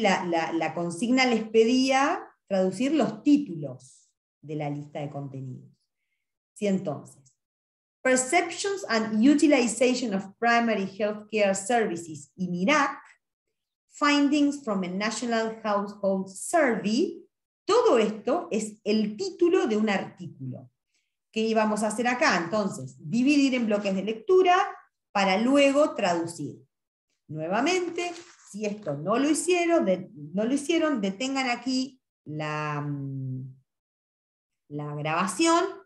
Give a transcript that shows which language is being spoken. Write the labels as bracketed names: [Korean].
[Spanish] La consigna les pedía traducir los títulos de la lista de contenidos. Sí, entonces. [English] Perceptions and Utilization of Primary Healthcare Services in Iraq, Findings from a National Household Survey. [Spanish] Todo esto es el título de un artículo. ¿Qué íbamos a hacer acá? Entonces, dividir en bloques de lectura para luego traducir. Nuevamente, si esto no lo hicieron, detengan aquí la grabación.